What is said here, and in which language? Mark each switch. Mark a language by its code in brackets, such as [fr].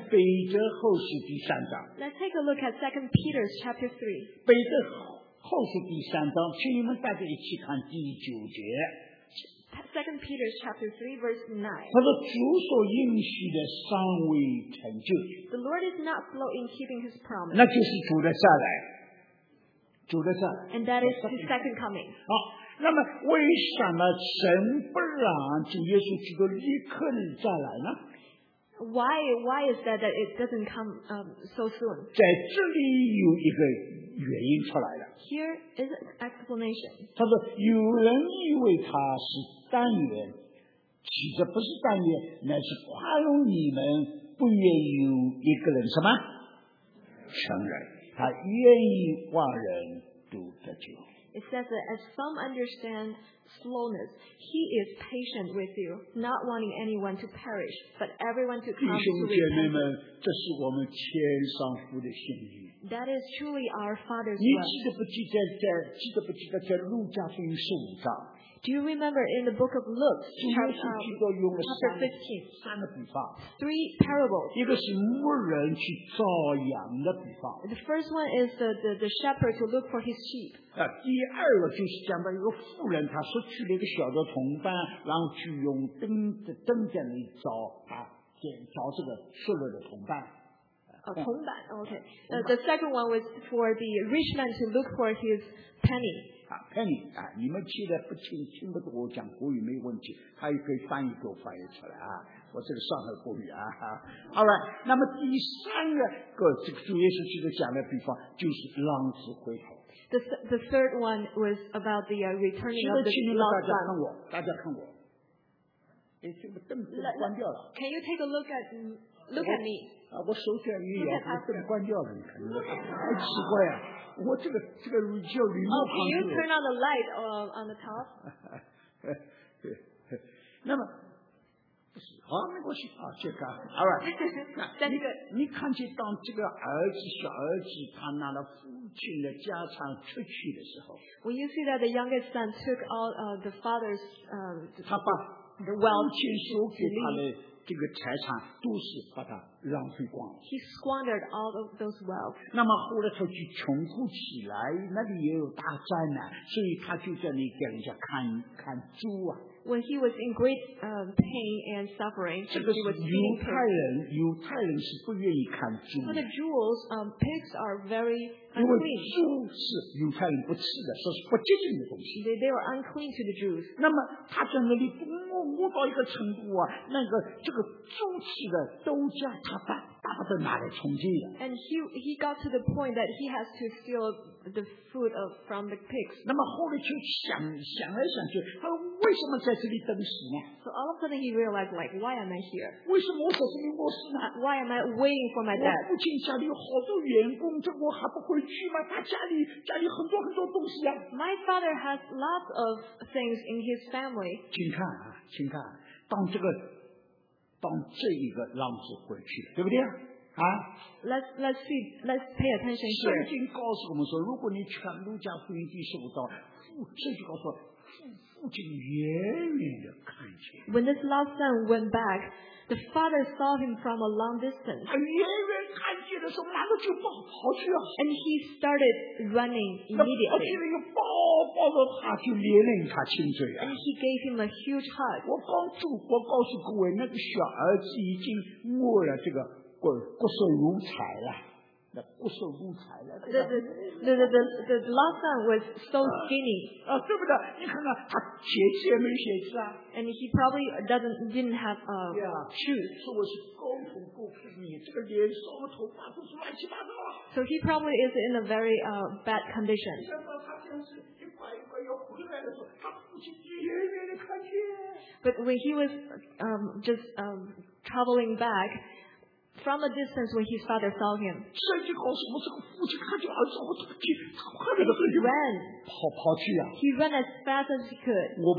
[zh] 我请你们再看彼得后书第三章。 [en] Let's take a look at 2 Peter chapter 3. [zh] 彼得后书第三章，请你们大家一起看第九节。 [en] 2 Peter chapter 3 verse 9. [zh] 他说主所应许的尚未成就。 [en] The Lord is not slow in keeping His promise. [zh] 那就是主的再来。主的再来。 [en] And that is His second coming. [zh] 好。那么为什么神不让主耶稣基督立刻再来呢 [en] ？Why is that it doesn't come so soon？ [zh] 在这里有一个原因出来了。 [en] Here is an explanation。 [zh] 他说有人以为他是但愿，其实不是但愿，乃是宽容你们，不愿有一个人什么承认，他愿意万人都得救。 [en] It says that as some understand slowness, he is patient with you, not wanting anyone to perish, but everyone to come to repentance. [zh] 弟兄姐妹们，这是我们天上父的心意。 [en] That is truly our Father's will. [zh] 你记得不记得记得不记得在路加福音十五章 [en] ？Do you remember in the book of Luke, chapter [zh] 15, 三个比方 [en] ，three parables. [zh] 一个是牧人去照羊的比方。 [en] The first one is the shepherd to look for his sheep. [zh] 第二个就是讲到一个妇人，她失去了一个小的同伴，然后去用灯的灯在里找啊，找这个失落的同伴。铜板 ，OK。 [en] The second one was for the rich man to look for his penny. [zh] 啊 ，penny 啊，你们记得不清，听不懂我讲国语没问题，他也可以翻译给我翻译出来啊。我这个上海国语啊。好了，那么第三个这个主耶稣基督讲的比方就是浪子回头。 [en] The third one was about the returning of the lost son. [zh] 大家看我，大家看我。哎，这个灯关掉了。 [en] Can you take a look at look at me? [zh] 啊，我手脚一摇，把灯关掉了，太奇怪啊！我这个叫礼貌。 [en] Oh, can you turn on the light on the top? [zh] 那么是好没关系啊，健康 ， [en] All right。 [zh] 那你看见当这个儿子小儿子他拿了父亲的家产出去的时候 [en] ，When you see that the youngest son took all the father's [zh] 他把父亲所给他的这个财产都是把他浪费光。 [en] He squandered all of those wealth。 [zh] 那么后来他就穷苦起来，那里也有大灾难，所以他就在那里给人家看看猪啊。 [en] When he was in great pain and suffering, he was being killed. So the Jews, pigs are very unclean. They were unclean to the Jews. [zh] 那么他在那里摸到一个程度啊，那个这个猪吃的都叫他爸。 [en] And he got to the point that he has to steal the food from the pigs. [zh] 那么后来就想来想去，他为什么在这里等死呢？ [en] So all of a sudden he realized, like, why am I here? [zh] 为什么我在这里饿死呢？ [en] Why am I waiting for my death? [zh] 我父亲家里有好多员工，这我还不回去吗？他家里很多很多东西啊。 [en] My father has lots of things in his family. [zh] 请看啊，请看，当这个。当这一个浪子回去，对不对啊？ [en] Let's pay attention. [zh] 圣经告诉我们说，如果你去看路加福音第十五章，圣经告诉父亲远远的看见。 [en] When this lost son went back, the father saw him from a long distance. [zh] 他远远看见的时候，难道就跑去啊 [en] ？And he started running immediately. [zh] 跑去了又抱着他，就连连他亲嘴啊 [en] ！And he gave him a huge hug. [zh] 我告诉各位，那个小儿子已经饿了，这个骨瘦如柴了。 [en] The last son was so skinny. [zh] 对不对？你看看他鞋子也没鞋子啊。 [en] And he probably didn't have shoes. [zh] 说我是高头过分，你这个脸烧了，头发都是乱七八糟。 [en] So he probably is in a very bad condition. [zh] 你看到他像是一块一块要回来的时候，他父亲远远的看见。 [en] But when he was traveling back. From a distance when his father saw him. He ran as fast as he could.